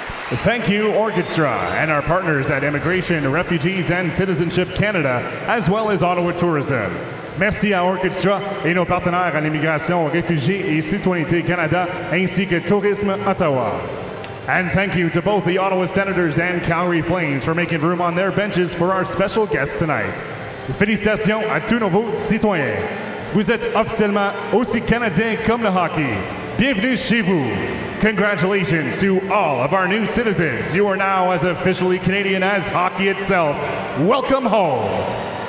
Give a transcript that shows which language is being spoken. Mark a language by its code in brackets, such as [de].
[en] Thank you, Orchestra, and our partners at Immigration, Refugees, and Citizenship Canada, as well as Ottawa Tourism. [fr] Merci à Orchestra et nos partenaires à l'immigration, Réfugiés et Citoyenneté Canada, ainsi que Tourisme Ottawa. [en] And thank you to both the Ottawa Senators and Calgary Flames for making room on their benches for our special guests tonight. [fr] Félicitations à tous nos vos citoyens. Vous êtes officiellement aussi Canadiens comme le hockey. Bienvenue chez vous. [en] Congratulations to all of our new citizens. You are now as officially Canadian as hockey itself. Welcome home.